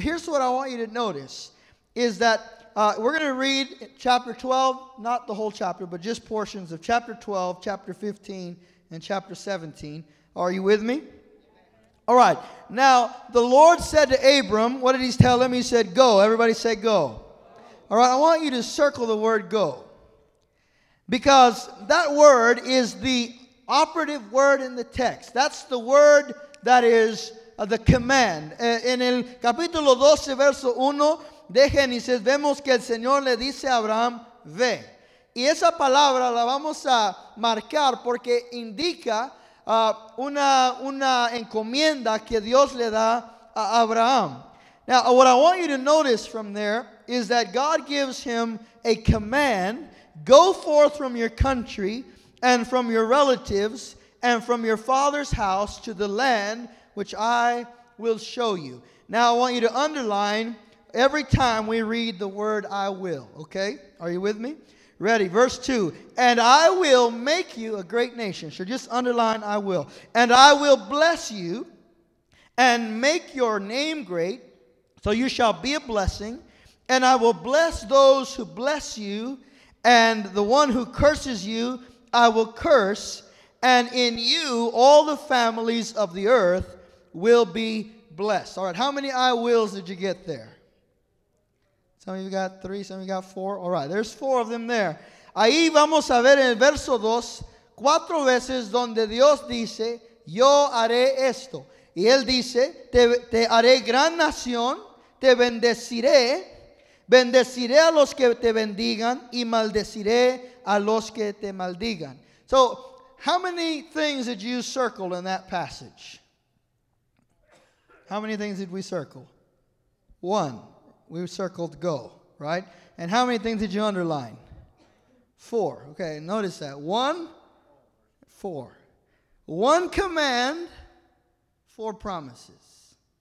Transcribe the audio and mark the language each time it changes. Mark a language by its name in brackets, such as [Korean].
[English] But here's what I want you to notice is that we're going to read chapter 12, not the whole chapter, but just portions of chapter 12, chapter 15, and chapter 17. Are you with me? All right. Now, the Lord said to Abram, what did he tell him? He said, go. Everybody say go. All right, I want you to circle the word go because that word is the operative word in the text. That's the word that is the command. [Spanish] En el capítulo 12, verso 1 de Génesis, vemos que el Señor le dice a Abraham, ve. Y esa palabra la vamos a marcar porque indica una encomienda que Dios le da a Abraham. [English] Now, what I want you to notice from there is that God gives him a command, go forth from your country and from your relatives and from your father's house to the land which I will show you. Now, I want you to underline every time we read the word I will, okay? Are you with me? Ready, verse 2. And I will make you a great nation. So just underline I will. And I will bless you and make your name great, so you shall be a blessing. And I will bless those who bless you, and the one who curses you, I will curse, and in you all the families of the earth will be blessed. All right, how many I wills did you get there? Some of you got three, some of you got four. All right, there's four of them there. [Spanish] Ahí vamos a ver en el verso dos, cuatro veces donde Dios dice, yo haré esto. Y él dice, te haré gran nación, te bendeciré. Bendeciré a los que te bendigan y maldeciré a los que te maldigan. [English] So, how many things did you circle in that passage? How many things did we circle? One. We circled go, right? And how many things did you underline? Four. Okay, notice that. One, four. One command, four promises.